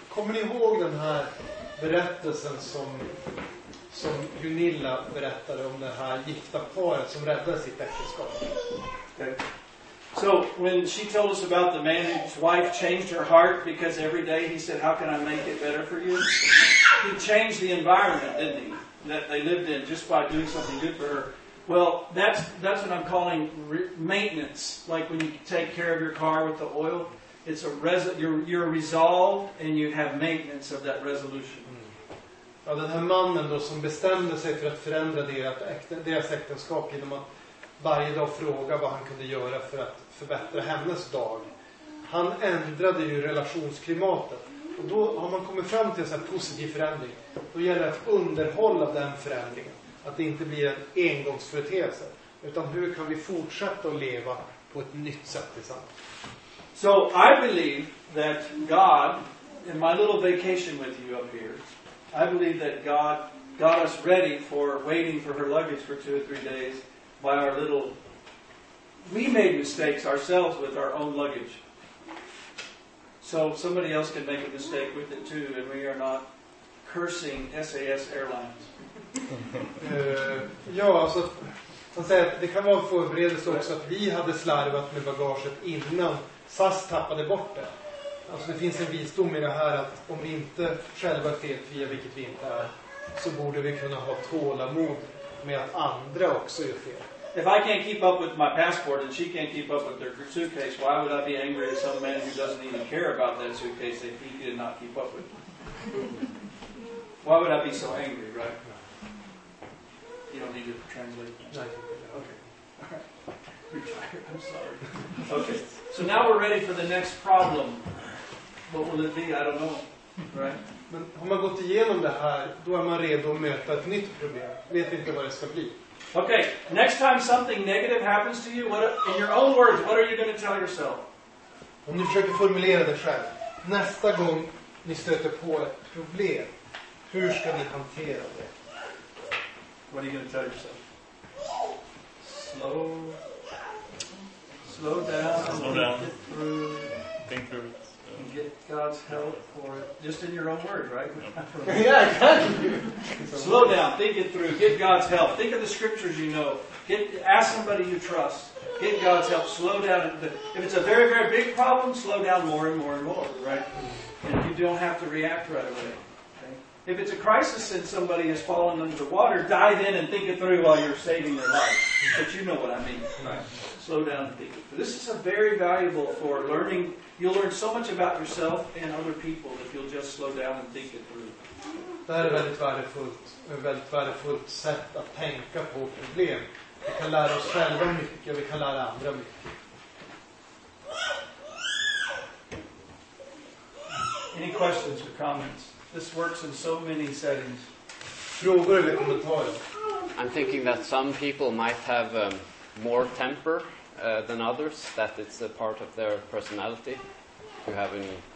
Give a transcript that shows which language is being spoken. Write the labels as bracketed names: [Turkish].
[Swedish] Kommer ni ihåg den här berättelsen som Gunilla berättade om det här gifta paret som räddade sitt äktenskap? [English] Okay. So when she told us about the man whose wife changed her heart because every day he said, how can I make it better for you? He changed the environment, didn't he? That they lived in just by doing something good for her. Well, that's what I'm calling maintenance. Like when you take care of your car with the oil, it's you're resolved and you have maintenance of that resolution. Mm. [Swedish] Ja, den här mannen då som bestämde sig för att förändra deras äktenskap genom att varje dag fråga vad han kunde göra för att förbättra hennes dag. Han ändrade ju relationsklimatet. Och då har man kommit fram till en sån här positiv förändring. Då gäller det att underhålla den förändringen. Att det inte blir en engångsföreteelse, utan hur kan vi fortsätta att leva på ett nytt sätt tillsammans? [English] So I believe that God, in my little vacation with you up here, I believe that God got us ready for waiting for her luggage for 2 or 3 days by our little... We made mistakes ourselves with our own luggage. So somebody else can make a mistake with it too, and we are not cursing SAS Airlines. [Swedish] Ja, alltså, så att säga, det kan vara en förberedelse också att vi hade slarvat med bagaget innan SAS tappade bort det. Alltså det finns en visdom i det här att om vi inte själva fel via vilket vi inte är, så borde vi kunna ha tålamod med att andra också gör fel. [English] If I can't keep up with my passport and she can't keep up with their suitcase, why would I be angry at some man who doesn't even care about that suitcase if he did not keep up with? Why would I be so angry, right? You don't need to translate. No. Okay. Retired. I'm sorry. Okay. So now we're ready for the next problem. What will it be? I don't know. Right? [Swedish] Men har man gått igenom det här, då är man redo att möta ett nytt problem. Vet inte vad det ska bli. [English] Okay. Next time something negative happens to you, in your own words, what are you going to tell yourself? [Swedish] Om du försöker formulera det själv. Nästa gång ni stöter på ett problem, hur ska ni hantera det? [English] What are you going to tell yourself? Slow down. Slow down. Get through. think of it. You get God's help for it, just in your own words, right? Yeah, slow down, think it through, get God's help. Think of the scriptures you know. Ask somebody you trust. Get God's help. Slow down. If it's a very, very big problem, slow down more and more and more, right? And you don't have to react right away. Okay? If it's a crisis and somebody has fallen under water, dive in and think it through while you're saving their life. But you know what I mean. Right. Slow down and think it through. This is a very valuable for learning. You'll learn so much about yourself and other people if you'll just slow down and think it through. [Swedish] Det är väldigt värdefullt sätt att tänka på problem. Vi kan lära oss själva mycket, vi kan lära andra mycket. [English] Any questions or comments? This works in so many settings. [Swedish] Frågor eller kommentarer? [English] I'm thinking that some people might have more temper than others, that it's a part of their personality to have any.